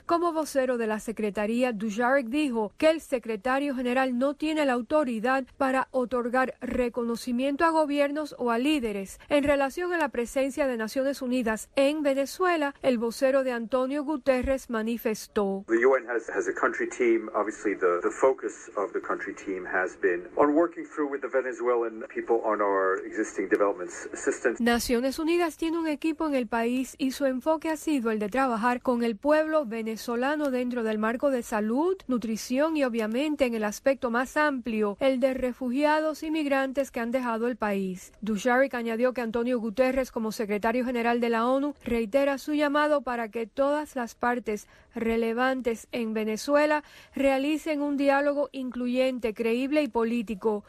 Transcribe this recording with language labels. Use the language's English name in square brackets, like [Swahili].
[Spanish] Como vocero de la Secretaría, Dujarric dijo que el secretario general no tiene la autoridad para otorgar reconocimiento a gobiernos o a líderes. En relación a la presencia de Naciones Unidas en Venezuela, el vocero de Antonio Guterres manifestó. [English] The UN has a country team. Obviously, the focus of the country team has been on working through with the Venezuelan people on our existing development assistance. [Spanish] Naciones Unidas tiene un equipo en el país y su enfoque ha sido el de trabajar con el pueblo venezolano dentro del marco de salud, nutrición y obviamente en el aspecto más amplio, el de refugiados y migrantes que han dejado el país. Dujarric añadió que Antonio Guterres, como secretario general de la ONU, reitera su llamado para que todas las partes relevantes en Venezuela realicen un diálogo incluyente, creíble y político.